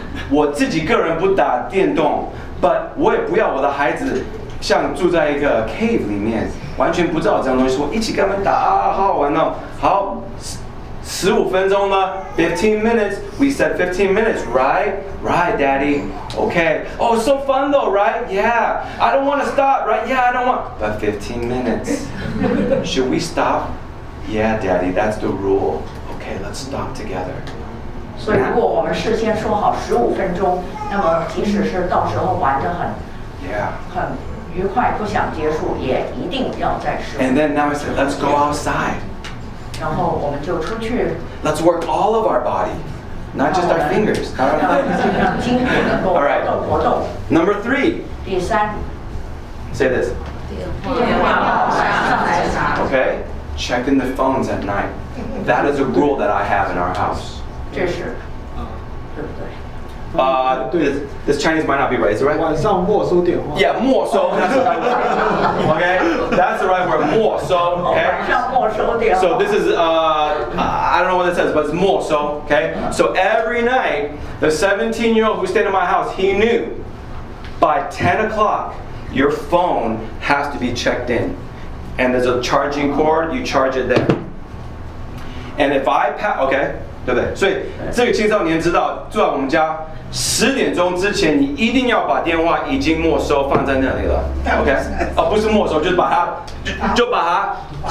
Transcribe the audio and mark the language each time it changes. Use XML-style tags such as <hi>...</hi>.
<zh>我自己个人不打电动。</zh> <en>But</en> <zh>我也不要我的孩子像住在一个 cave 里面完全不知道这样东西我一起跟他们打啊好好玩哦好15分钟呢</zh> <en>15 minutes We said 15 minutes Right? Right daddy Okay Oh so fun though right? Yeah I don't want to stop right? Yeah I don't want But 15 minutes Should we stop? Yeah daddy that's the rule Okay let's stop together</en> <zh>所以如果我们事先说好15分钟那么即使是到时候玩得很、 yeah. 很愉快不想结束也一定要再试</zh> <en>And then now I said let's go outside</en> <zh>然后我们就出去</zh> <en>Let's work all of our body Not just our fingers</en> <zh>让筋骨能够活动</zh> <en>All right. Number three</en> <zh>第三</zh> <en>Say this</en> <zh>电话</zh> <en>Okay Check in the phones at night That is a rule that I have in our house this Chinese might not be right, is it right?</en> <zh>晚上没收电话</zh> <en>Yeah, 没收 That's the right word Okay, that's the right word 没收 Okay</en> <zh>晚上没收电话</zh> <en>So this is, I don't know what it says, but it's 没收 Okay, so every night The 17-year-old who stayed in my house, he knew By 10 o'clock, your phone has to be checked in And there's a charging cord, you charge it there And if I pass, okay</en> <zh>对不对？所以这个青少年知道住在我们家十点钟之前，你一定要把电话已经没收放在那里了。OK， 不是没收，就是把它就把它</zh>